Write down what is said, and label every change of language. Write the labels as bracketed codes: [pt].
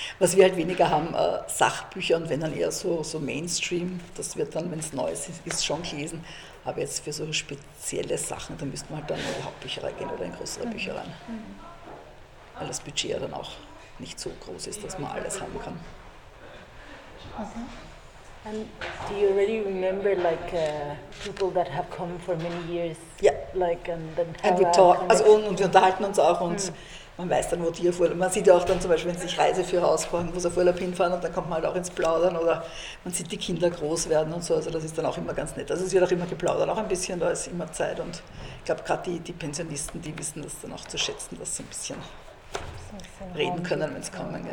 [de] Was wir halt weniger haben, Sachbücher und wenn dann eher so Mainstream, das wird dann, wenn es neu ist, schon gelesen. Aber jetzt für so spezielle Sachen, da müsste man halt dann in die Hauptbücherei gehen oder in größere Bücherei. Weil das Budget ja dann auch nicht so groß ist, dass man alles haben kann. [en] And do you already remember like people that have come for many years? Yeah. Like and then. And we talk. [de] Also und wir unterhalten uns auch und. Man weiß dann, wo die auf Urlaub. Man sieht ja auch dann zum Beispiel, wenn sich Reiseführer ausfragen, wo sie auf Urlaub hinfahren und dann kommt man halt auch ins Plaudern oder man sieht die Kinder groß werden und so. Also das ist dann auch immer ganz nett. Also es wird auch immer geplaudert, auch ein bisschen, da ist immer Zeit und ich glaube gerade die Pensionisten, die wissen das dann auch zu schätzen, dass sie ein bisschen reden können, wenn es kommen, genau.